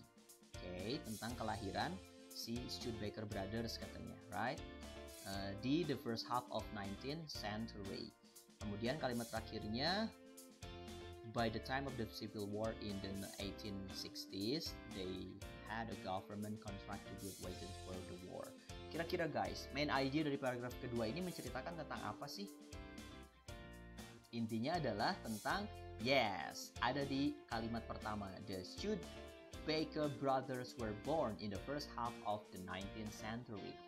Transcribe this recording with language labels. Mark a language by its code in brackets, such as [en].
[id] Oke, okay, tentang kelahiran si Studebaker Brothers katanya, right? [en] Di the first half of 19th century. [id] Kemudian kalimat terakhirnya, [en] by the time of the Civil War in the 1860s, they had a government contract to build wagons for the war. [id] Kira-kira guys, main idea dari paragraf kedua ini menceritakan tentang apa sih? Intinya adalah tentang, yes, ada di kalimat pertama. [en] The Studebaker Brothers were born in the first half of the 19th century.